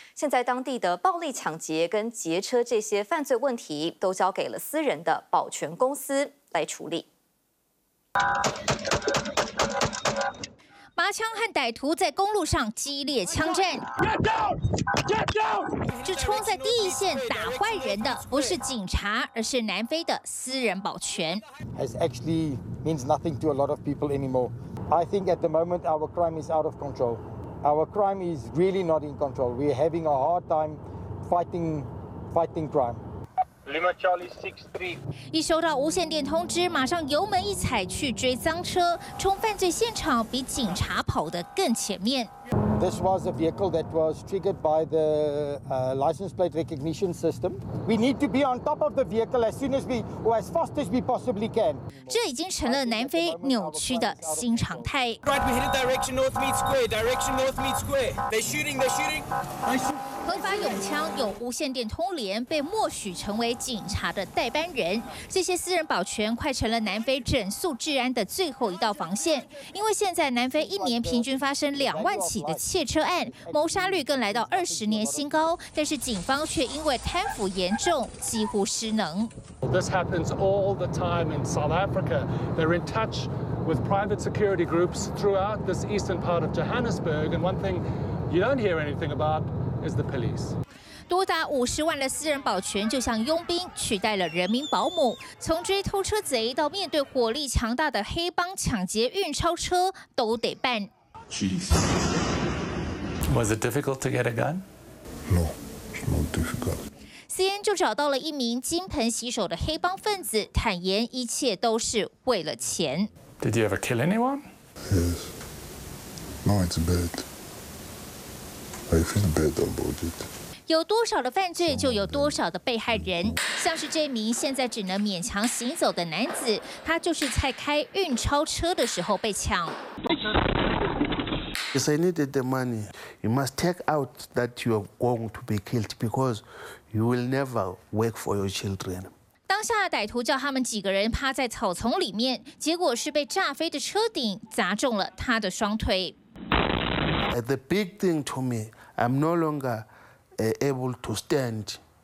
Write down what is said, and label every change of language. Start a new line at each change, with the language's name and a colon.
Chinese: 现在当地的暴力抢劫跟劫车这些犯罪问题，都交给了私人的保全公司来处理。拔枪和歹徒在公路上激烈枪战，这冲在第一线打坏人的不是警察，而是南非的私人保全。
English: It actually means nothing to a lot of people anymore. I think at the moment our crime is out of control. Our crime is really not in control. We're having a hard time fighting crime. Lima Charlie 63.
Chinese: 一收到无线电通知，马上油门一踩去追赃车，冲犯罪现场比警察跑得更前面。
English: This was a vehicle that was triggered by the license plate recognition system. We need to be on top of the vehicle as soon as we, or as fast as we possibly can.
Chinese: 这已经成了南非扭曲的新常态。
English: Right, we're heading direction North Mead Square. Direction North Mead Square. They're shooting.
Chinese: 合法拥枪，有无线电通联，被默许成为警察的代班人。这些私人保全快成了南非整肃治安的最后一道防线。因为现在南非一年平均发生2万起的窃车案，谋杀率更来到20年新高，但是警方却因为贪腐严重，几乎失能。
English: This happens all the time in South Africa. They're in touch with private security groups throughout this eastern part of Johannesburg. And one thing you don't hear anything about is the police.
Chinese: 多达50万的私人保全就像佣兵，取代了人民保姆。从追偷车贼到面对火力强大的黑帮抢劫运钞车，都得办。
English: Was it difficult to get a gun? No, not difficult.
Chinese: CN 就找到了一名金盆洗手的黑帮分子，坦言一切都是为了钱。
English: Did you ever kill anyone? Yes. Now it's bad. I feel bad about it.
Chinese: 有多少的犯罪，就有多少的被害人。像是这名现在只能勉强行走的男子，他就是在开运钞车的时候被抢。
English: Yes, I needed the money. You must take out that you are going to be killed because you will never work for your children.
Chinese: 当下歹徒叫他们几个人趴在草丛里面，结果是被炸飞的车顶砸中了他的双腿。
English: The big thing to me, I'm no longer able to stand.